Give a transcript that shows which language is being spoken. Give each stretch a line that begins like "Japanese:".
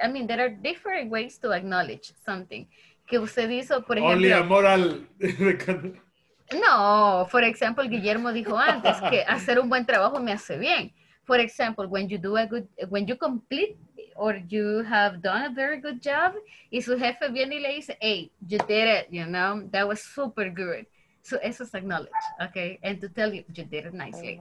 English: I mean, there are different ways to acknowledge something.
Spanish: Que usted hizo, por ejemplo.
English: Only a moral.
Spanish: No,
English: for example,
Spanish: Guillermo dijo antes que hacer un buen trabajo me hace bien.
English: For example, when you do a good, when you complete or you have done a very good job,
Spanish: y su jefe viene y le dice,
English: hey, you did it, you know, that was super good. So,
Spanish: eso es
English: acknowledge, okay? And to tell you, you did it nicely.